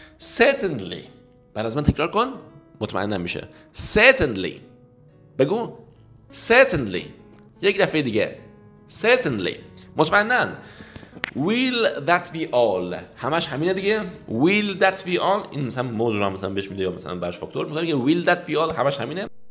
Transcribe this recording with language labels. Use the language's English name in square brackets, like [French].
[Persian] certainly بعد از من تکرار کن مطمئن نمیشه، certainly بگو، certainly یک دفعه دیگه، certainly مطمئنن. [English] Will that be all؟ [Persian] همش همینه دیگه. [English] Will that be all؟ [Persian] این مثلا موضوع رو هم مثلا بهش میده یا مثلا برش فاکتور میکنه که Will that be all؟ همش همینه.